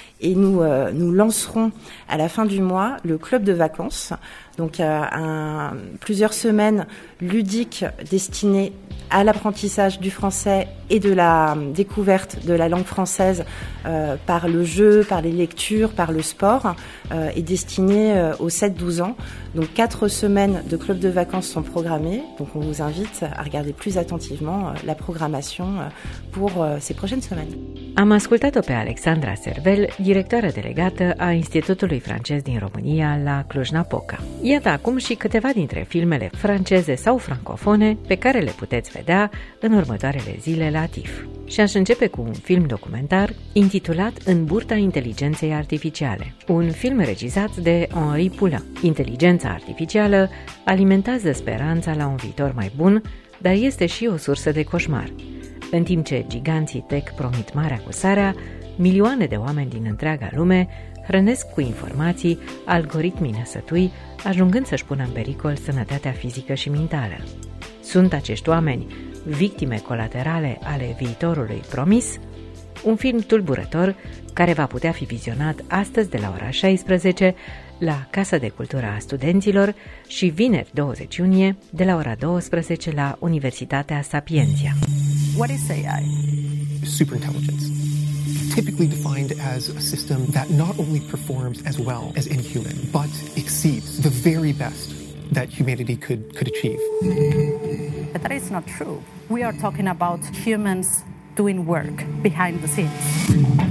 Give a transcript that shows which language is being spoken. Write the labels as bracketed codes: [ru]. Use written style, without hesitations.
[fr] Et nous lancerons à la fin du mois le club de vacances, donc plusieurs semaines ludiques destinées à l'apprentissage du français et de la découverte de la langue française par le jeu, par les lectures, par le sport, et destinées aux 7-12 ans. Donc 4 semaines de club de vacances sont programmées. Donc on vous invite à regarder plus attentivement la programmation pour ces prochaines semaines. [ro] Am ascultato pe Alexandra Cervel, directoarea delegată a Institutului francez din România la Cluj-Napoca. Iată acum și câteva dintre filmele franceze sau francofone pe care le puteți vedea în următoarele zile la TIFF. Și aș începe cu un film documentar intitulat În burta inteligenței artificiale, un film regizat de Henri Poulain. Inteligența artificială alimentează speranța la un viitor mai bun, dar este și o sursă de coșmar. În timp ce giganții tech promit mare acusarea, milioane de oameni din întreaga lume hrănesc cu informații algoritmii năsătui, ajungând să-și pună în pericol sănătatea fizică și mentală. Sunt acești oameni victime colaterale ale viitorului promis? Un film tulburător care va putea fi vizionat astăzi de la ora 16 la Casa de Cultură a Studenților și vineri 20 iunie de la ora 12 la Universitatea Sapienția. [en] What is AI? Superintelligence. Typically defined as a system that not only performs as well as any human, but exceeds the very best that humanity could achieve. But that is not true. We are talking about humans doing work behind the scenes.